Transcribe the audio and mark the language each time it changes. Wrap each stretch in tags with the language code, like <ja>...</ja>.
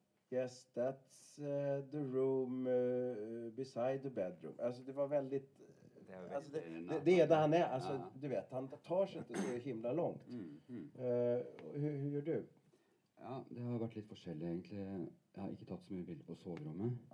<en>Yes, that's the room beside the bedroom.</en> <sv>Alltså det var väldigt... Det är där han är. Alltså, du vet, han tar sig inte så himla långt. Mm, mm. Hur gör du?</sv> <no>Ja, det har varit lite forskjellig egentlig. Jeg har ikke tatt så mye bilder på soverommet.</no>